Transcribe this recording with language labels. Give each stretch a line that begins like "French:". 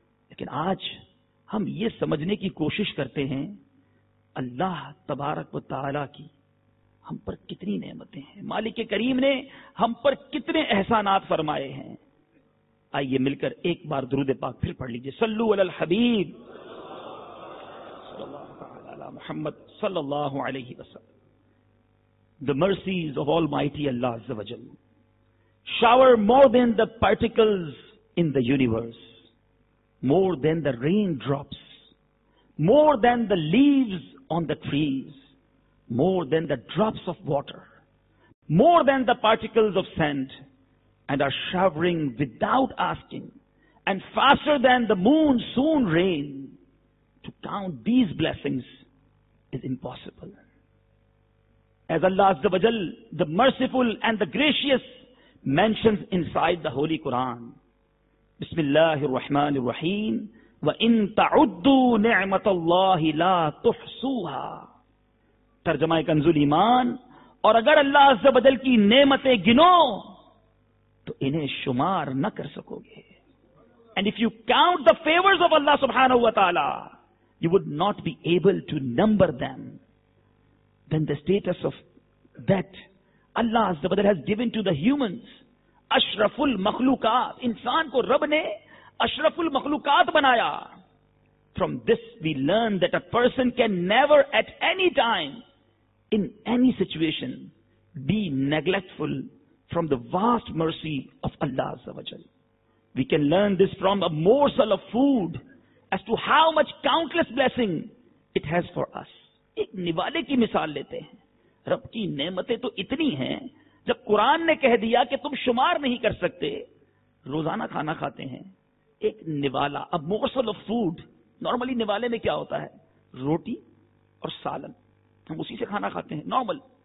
Urdu: لیکن آج ہم یہ سمجھنے کی کوشش کرتے ہیں اللہ تبارک و تعالی کی ہم پر کتنی نعمتیں ہیں, مالک کریم نے ہم پر کتنے احسانات فرمائے ہیں. آئیے مل کر ایک بار درود پاک پھر پڑھ لیجئے.
Arabic: صلوا علی الحبیب صلی اللہ تعالی علی محمد صلی اللہ علیہ وسلم.
English: The mercies of almighty Allah عز و جل shower more than the particles in the universe, more than the raindrops, more than the leaves on the trees, more than the drops of water, more than the particles of sand, and are showering without asking, and faster than the moon soon rain. To count these blessings is impossible. As Allah Azza wa Jal, the merciful and the gracious, mentions inside the Holy Quran,
Arabic: بسم الله الرحمن الرحيم وَإِن تَعُدُّوا نِعْمَةَ اللَّهِ لَا تُحْصُوهَا.
Urdu: ترجمہ کنز الایمان, اور اگر اللہ عز و جل کی نعمتیں گنو تو انہیں شمار نہ کر سکو گے.
English: And if you count the favors of Allah subhanahu wa ta'ala, you would not be able to number them. Then the status of that Allah Azza wa Jalla has given to the humans, ashraful makhlukat,
Urdu: insan ko rab ne ashraful makhlukat banaya.
English: From this we learn that a person can never at any time, in any situation, be neglectful from the vast mercy of Allah Azza wa Jalla. We can learn this from a morsel of food as to how much countless blessing it has for us.
Urdu: Ek niwale ki misal lete hain. رب کی نعمتیں تو اتنی ہیں, جب قرآن نے کہہ دیا کہ تم شمار نہیں کر سکتے, روزانہ کھانا کھاتے ہیں, ایک نوالا, اب
English: morsel of food,
Urdu: نارملی نوالے میں کیا ہوتا ہے, روٹی اور سالن, ہم اسی سے کھانا کھاتے ہیں نارمل.